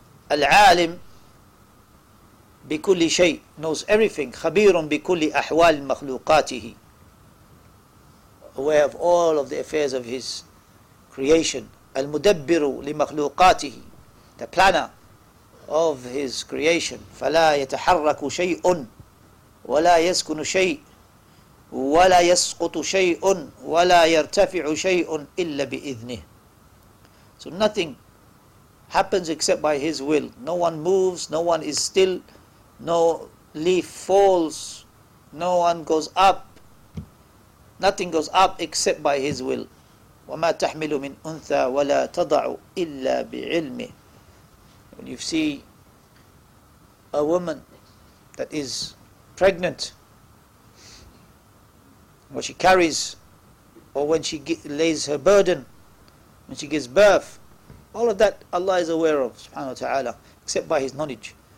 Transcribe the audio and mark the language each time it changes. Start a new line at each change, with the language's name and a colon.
Arabic: Al-alim bikulli shay
English: knows everything.
Arabic: Khabirun bikulli ahwal makhluqatihi.
English: Aware of all of the affairs of his creation.
Arabic: Al-mudabbiru li makhluqatihi.
English: The planner of his creation.
Arabic: Fala yataharraku shay'un. وَلَا يَسْكُنُ شَيْءٌ وَلَا يَسْقُطُ شَيْءٌ وَلَا يَرْتَفِعُ شَيْءٌ إِلَّا بِإِذْنِهِ
English: So nothing happens except by his will. No one moves, no one is still, no leaf falls, no one goes up. Nothing goes up except by his will.
Arabic: وَمَا تَحْمِلُ مِنْ أُنْثَى وَلَا تَضَعُ إِلَّا بِعِلْمِهِ
English: When you see a woman that is pregnant, what she carries, or when she lays her burden, when she gives birth, all of that Allah is aware of, subhanahu wa ta'ala, except by His knowledge.